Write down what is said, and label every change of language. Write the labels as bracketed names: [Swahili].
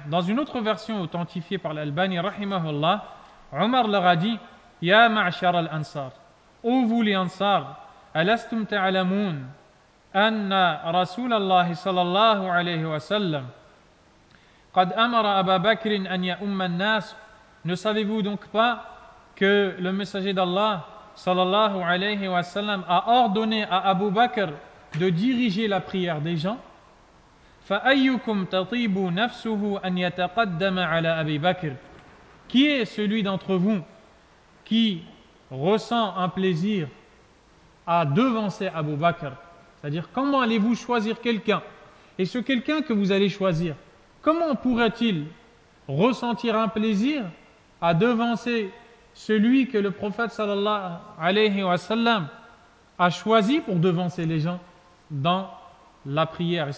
[French] Dans une autre version authentifiée par l'Albani, rahimahullah, Omar leur a dit, [Arabic] Ya ma'ashar al-ansar, [French] ô vous les ansar, [Arabic] alastum ta'alamoun, أن رسول الله صلى الله عليه وسلم قد أمر أبا بكر أن يأم الناس. [French] Ne savez-vous donc pas que le messager d'Allah صلى الله عليه وسلم a ordonné à Abu Bakr de diriger la prière des gens? [Arabic] فأيكم تطيب نفسه أن يتقدم على أبي بكر. [French] Qui est celui d'entre vous qui ressent un plaisir à devancer Abu Bakr? C'est-à-dire, comment allez-vous choisir quelqu'un? Et ce quelqu'un que vous allez choisir, comment pourrait-il ressentir un plaisir à devancer celui que le prophète sallallahu alayhi wa sallam a choisi pour devancer les gens dans la prière?